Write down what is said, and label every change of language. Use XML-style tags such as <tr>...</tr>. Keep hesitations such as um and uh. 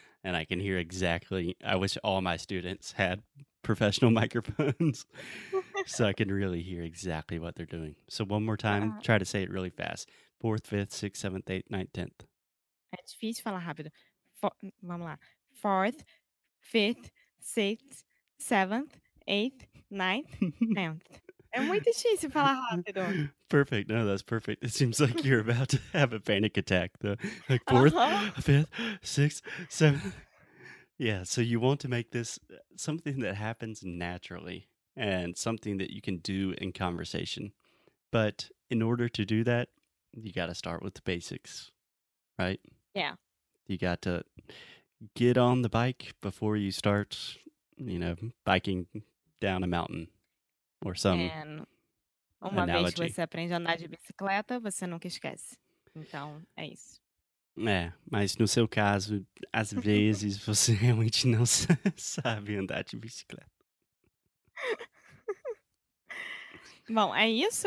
<en>And I can hear exactly. I wish all my students had professional microphones so I can really hear exactly what they're doing. So, one more time, Atang. try to say it really fast. Fourth, fifth, sixth, seventh, eighth, ninth, tenth.</en> <pt>É difícil falar rápido. For, vamos lá.</pt> <en>Fourth, fifth, sixth, seventh, eighth, ninth, tenth.</en> <pt>é muito difícil falar rápido.</pt> <en>Perfect. No, that's perfect. It seems like you're about to have a panic attack. The, like, fourth, uh -huh. fifth, sixth, seventh. Yeah, so you want to make this something that happens naturally and something that you can do in conversation. But in order to do that, you got to start with the basics, right? Yeah. You got to get on the bike before you start, you know, biking down a mountain or some. And</en> <pt>é, uma analogy. vez que você aprende a andar de bicicleta, você nunca esquece. Então, é isso. É, mas no seu caso, às vezes você realmente não sabe andar de bicicleta. Bom, é isso?</pt>